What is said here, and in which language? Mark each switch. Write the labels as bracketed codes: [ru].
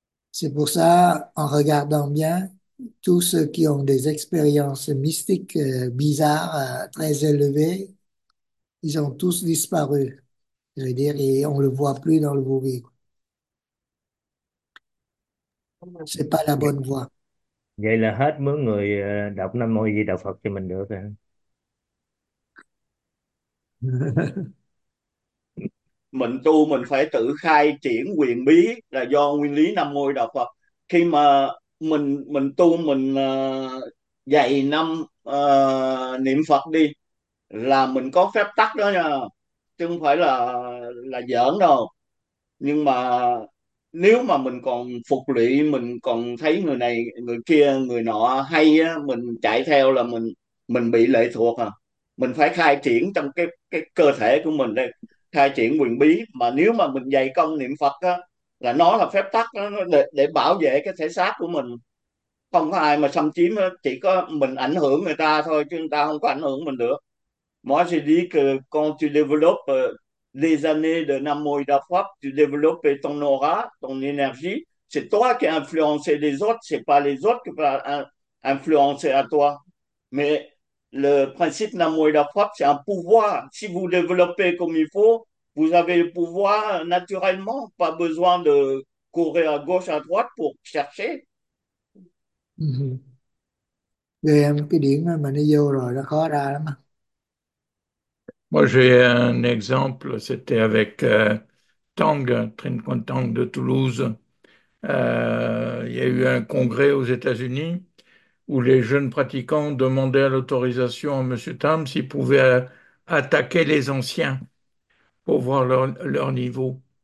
[fr] C'est pour ça, en regardant bien, tous ceux qui ont des expériences mystiques bizarres, très élevées, ils ont tous disparu. Je veux dire, et on ne le voit plus dans le bruit. Ce n'est pas la [vi] Vậy [fr] bonne voie. [vi] là hết mướn người đọc Nam Mô A Di Đà Phật cho mình được rồi. Mình tu mình phải tự khai triển quyền bí là do nguyên lý Nam Mô A Di Đà Phật. Khi mà mình tu mình dạy năm niệm Phật đi là mình có phép tắc đó nha, chứ không phải là giỡn đâu. Nhưng mà nếu mà mình còn phục lụy, mình còn thấy người này người kia người nọ hay á, mình chạy theo là mình bị lệ thuộc à. Mình phải khai triển trong cái cơ thể của mình đây, khai triển quyền bí. Mà nếu mà mình dạy công niệm Phật á, là nó là phép tắc để bảo vệ cái thể xác của mình, không có ai mà xâm chiếm đó. Chỉ có mình ảnh hưởng người ta thôi, chứ người ta không có ảnh hưởng mình được. [fr] Moi je dis que quand tu développes les années de Nam Mô Da Pháp, tu développes ton aura, ton énergie, c'est toi qui as influencé les autres, c'est pas les autres qui vont influencer à toi. Mais le principe Nam Mô Da Pháp, c'est un pouvoir. Si vous développez comme il faut, vous avez le pouvoir naturellement, pas besoin de courir à gauche, à droite pour chercher. [vi] Về cái điểm mà nó vô rồi nó khó ra lắm. [fr] Moi, j'ai un exemple, c'était avec Tang, Trinh Quang Tang de Toulouse. Il y a eu un congrès aux États-Unis où les jeunes pratiquants demandaient l'autorisation à M. Tam s'ils pouvaient attaquer les anciens pour voir leur niveau.